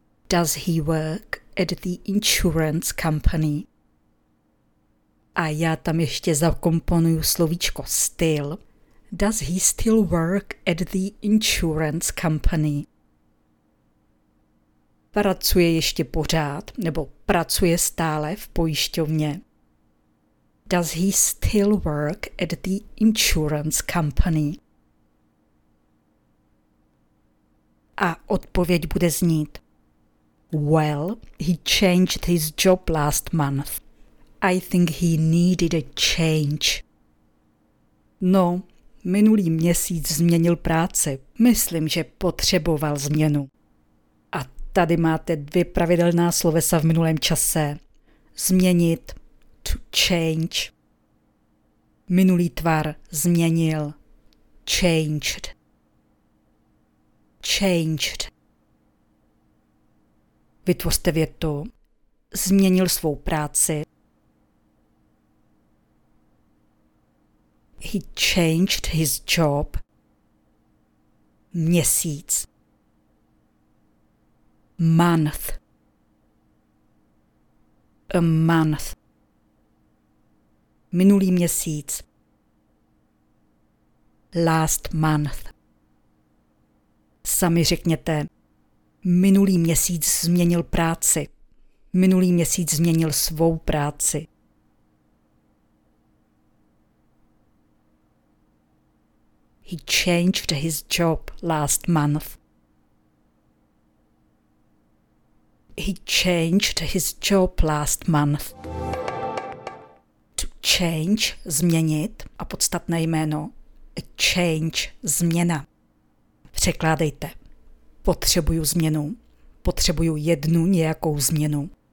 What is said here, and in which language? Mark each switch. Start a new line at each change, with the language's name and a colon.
English: Does he work at the insurance company?
Czech: A já tam ještě zakomponuju slovíčko still.
English: Does he still work at the insurance company?
Czech: Pracuje ještě pořád, nebo pracuje stále v pojišťovně.
English: Does he still work at the insurance company?
Czech: A odpověď bude znít.
English: Well, he changed his job last month. I think he needed a change.
Czech: No, minulý měsíc změnil práci. Myslím, že potřeboval změnu. A tady máte dvě pravidelná slovesa v minulém čase. Změnit, to change. Minulý tvar změnil, changed.
English: Changed.
Czech: Vytvořte větu. Změnil svou práci.
English: He changed his job.
Czech: Měsíc.
English: Month. A month.
Czech: Minulý měsíc.
English: Last month.
Czech: Sami řekněte. Minulý měsíc změnil práci. Minulý měsíc změnil svou práci.
English: He changed his job last month. He changed his job last month.
Czech: To change, změnit, a podstatné jméno. A change, změna. Překládejte. Potřebuju změnu. Potřebuju jednu nějakou změnu.